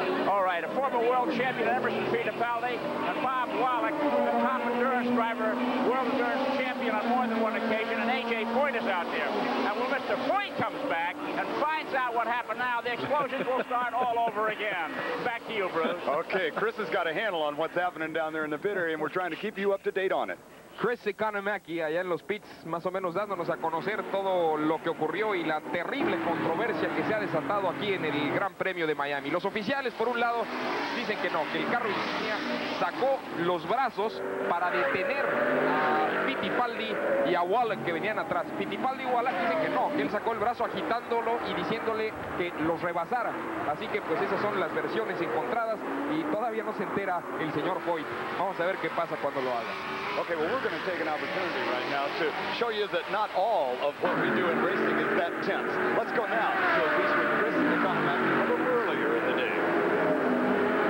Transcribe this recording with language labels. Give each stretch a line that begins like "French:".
English: All right, a former world champion, Emerson Fittipaldi, and Bob Wallach, the top endurance driver, world endurance champion on more than one occasion, and A.J. Foyt is out there. And when Mr. Foyt comes back and finds out what happened now, the explosions will start all over again. Back to you, Bruce. Okay, Chris has got a handle on what's happening down there in the pit area, and we're trying to keep you up to date on it.
Spanish: Chris Economaki allá en los pits, más o menos dándonos a conocer todo lo que ocurrió y la terrible controversia que se ha desatado aquí en el Gran Premio de Miami. Los oficiales, por un lado, dicen que no, que el carro insignia sacó los brazos para detener a Fittipaldi y a Wallach que venían atrás. Fittipaldi y Wallach dicen que no, que él sacó el brazo agitándolo y diciéndole que los rebasara. Así que pues esas son las versiones encontradas y todavía no se entera el señor Foyt. Vamos a ver qué pasa cuando lo haga.
English: Okay, well, we're going to take an opportunity right now to show you that not all of what we do in racing is that tense. Let's go now to a piece with Chris and the comment a little earlier in the day.